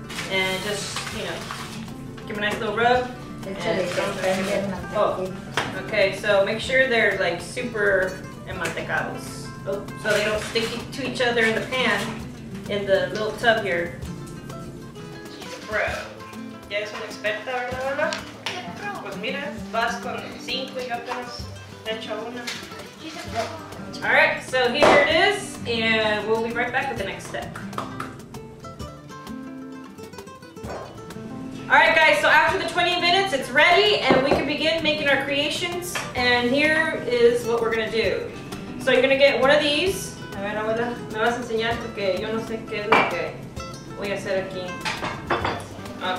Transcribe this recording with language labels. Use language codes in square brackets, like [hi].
[en] And just, you know, give them a nice little rub. Oh, okay, so make sure they're like super enmantecados. So they don't stick to each other in the pan, in the little tub here. She's a pro. [es] Ya es una experta, ¿verdad, Abuela? Pues mira, vas con cinco y apenas te echo una. [en] Alright, so here it is, and we'll be right back with the next step. Alright guys, so after the 20 minutes, it's ready, and we can begin making our creations, and here is what we're going to do. So you're going to get one of these. [es] A ver, Abuela, me vas a enseñar porque yo no sé qué es lo que voy a hacer aquí.